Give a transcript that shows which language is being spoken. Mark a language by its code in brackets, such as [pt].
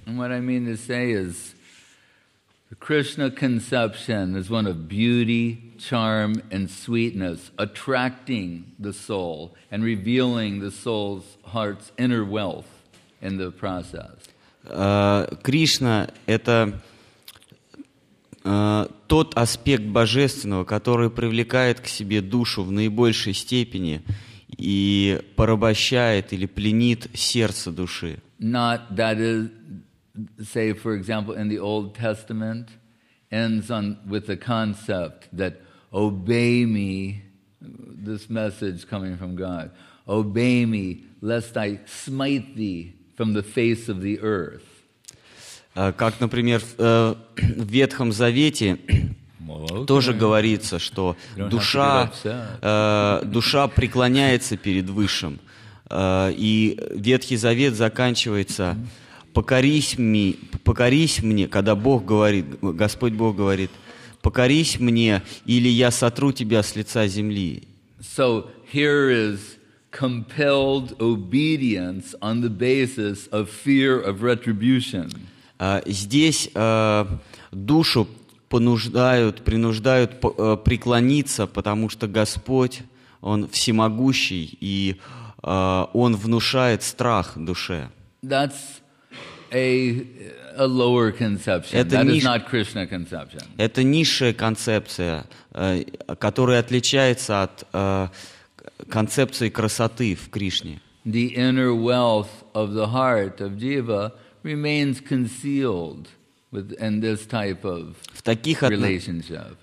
[en] And what I mean to say is, the Krishna conception is one of beauty, charm, and sweetness, attracting the soul and revealing the soul's heart's inner wealth in the process. [ru] Кришна – это тот аспект божественного, который привлекает к себе душу в наибольшей степени и порабощает или пленит сердце души. [en] Not that is, say, for example, in the Old Testament, ends on with the concept that obey me, this message coming from God, obey me, lest I smite thee from the face of the earth. [ru] Как, например, в Ветхом Завете тоже говорится, что душа преклоняется перед Высшим, и Ветхий Завет заканчивается покорись мне, когда Бог говорит, Господь Бог говорит, покорись мне, или я сотру тебя с лица земли. [en] So here is compelled obedience on the basis of fear of retribution. [ru] Здесь душу принуждают преклониться, потому что Господь, Он всемогущий, и он внушает страх душе. [en] That's a lower conception. [ru] Это [en] that is not Krishna conception. [ru] Это низшая концепция, которая отличается от концепции красоты в Кришне. [en] The inner wealth of the heart of Jiva remains concealed within this type of relationship.